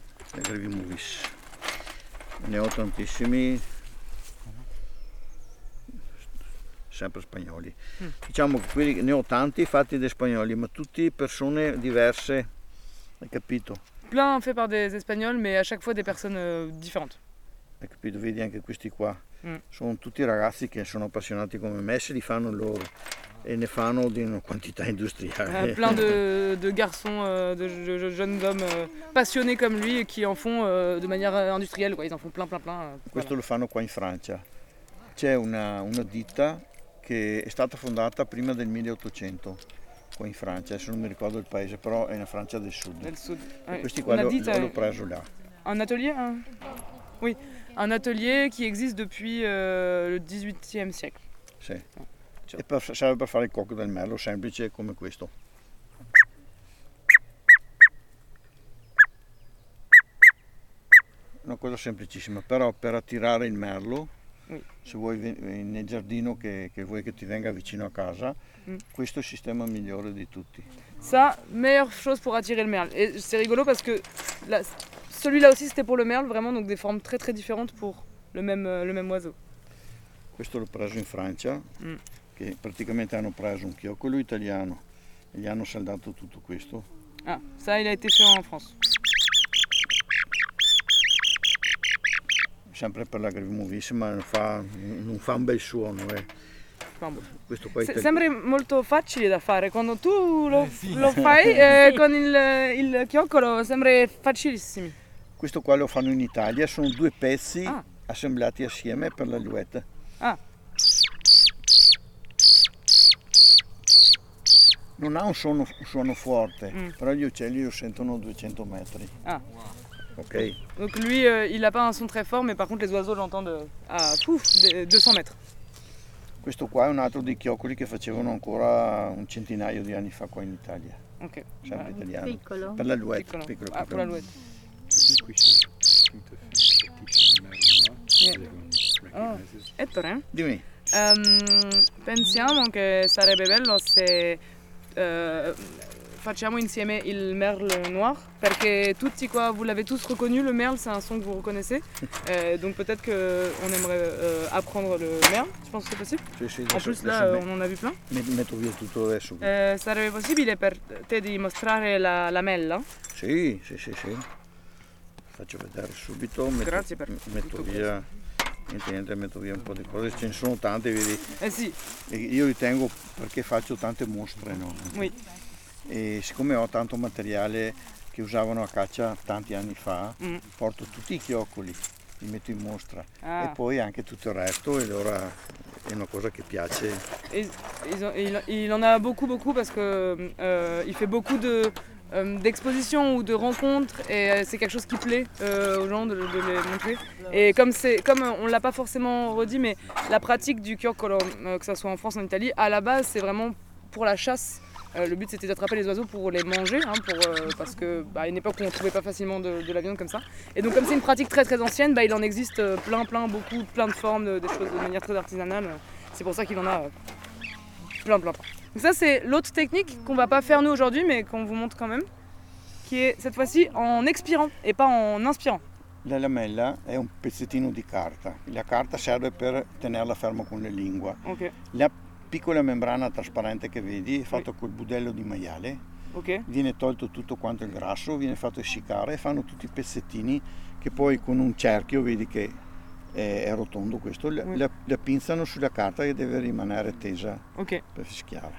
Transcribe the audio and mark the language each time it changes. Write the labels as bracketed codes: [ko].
[it] La Grieve Movies. Ne ho tantissimi. Sempre spagnoli. Diciamo che qui ne ho tanti fatti da spagnoli, ma tutti persone diverse, hai capito? [fr] Plein fait par des espagnols, mais à chaque fois des personnes différentes. [it] Hai capito, vedi anche questi qua. Sono tutti ragazzi che sono appassionati come me, se li fanno loro e ne fanno di una quantità industriale. [fr] Plein de garçons, de jeunes hommes passionnés comme lui qui en font de manière industrielle, quoi. Ils en font plein. [it] Questo voilà. Lo fanno qua in Francia. C'è una ditta che è stata fondata prima del 1800 qua in Francia, adesso non mi ricordo il paese, però è una Francia del sud. Del sud. E questi qua l'ho preso là. [fr] Un atelier? Oui, un atelier qui existe depuis le 18e siècle. [it] Sì. E serve per fare il cocco del merlo, semplice come questo. Una cosa semplicissima, però per attirare il merlo. Se vuoi nel giardino che vuoi che ti venga vicino a casa, questo è il sistema migliore di tutti. [fr] Ça, meilleure chose pour attirer le merle. Et c'est rigolo parce que là, celui-là aussi c'était pour le merle, vraiment, donc des formes très très différentes pour le même oiseau. [it] Questo l'ho preso in Francia, che praticamente hanno preso un chiocco italiano e gli hanno saldato tutto questo. [fr] Ah, ça il a été fait en France. [it] Sempre per la Grieve Movies, ma non fa un bel suono. Questo qua sembra molto facile da fare quando tu lo fai con il chioccolo, sembra facilissimo. Questo qua lo fanno in Italia, sono due pezzi assemblati assieme per l'alluetta. Ah. Non ha un suono forte, però gli uccelli lo sentono a 200 metri. Ah. Okay. [fr] Donc lui, il n'a pas un son très fort, mais par contre les oiseaux l'entendent à 200 mètres. [it] Questo qua è un altro dei chioccoli che facevano ancora un centinaio di anni fa qua in Italia. Ok. Sempre italiano. Piccolo. Per l'alouette. Piccolo. Ah, per l'alouette. Oh, Ettore. Dimmi. Pensiamo che sarebbe bello se facciamo insieme il merle noir, perché tutti qua, [fr] vous l'avez tous reconnu, le merle, c'est un son que vous reconnaissez. Donc peut-être qu'on aimerait apprendre le merle, tu penses que c'est possible? En plus, là, on en a vu plein. [it] Metto via tutto adesso. Sarebbe possibile per te di mostrare la mela? Sì. Faccio vedere subito. Grazie per metto via. Niente, metto via un po' di cose, ce ne sono tante, vedi? Eh sì. Io li tengo perché faccio tante mostre, no? [fr] Oui. [it] E siccome ho tanto materiale che usavano a caccia tanti anni fa, porto tutti i chioccoli, li metto in mostra e poi anche tutto il resto e allora è una cosa che piace. [fr] Il en a beaucoup parce que il fait beaucoup de d'expositions ou de rencontres et c'est quelque chose qui plaît aux gens de les montrer. Et comme on l'a pas forcément redit, mais la pratique du chioccolo, que ça soit en France ou en Italie, à la base c'est vraiment pour la chasse. Le but c'était d'attraper les oiseaux pour les manger, hein, parce que à une époque où on ne trouvait pas facilement de la viande comme ça. Et donc comme c'est une pratique très très ancienne, il en existe plein de formes, des choses de manière très artisanale. C'est pour ça qu'il en a plein. Donc ça c'est l'autre technique qu'on ne va pas faire nous aujourd'hui, mais qu'on vous montre quand même, qui est cette fois-ci en expirant et pas en inspirant. [it] La lamella è un pezzettino di carta. La carta serve per tenerla ferma con la lingua. Okay. La piccola membrana trasparente che vedi è fatta col budello di maiale. Okay. Viene tolto tutto quanto il grasso, viene fatto essiccare e fanno tutti i pezzettini che poi con un cerchio, vedi che è rotondo questo, la pinzano sulla carta che deve rimanere tesa per fischiare.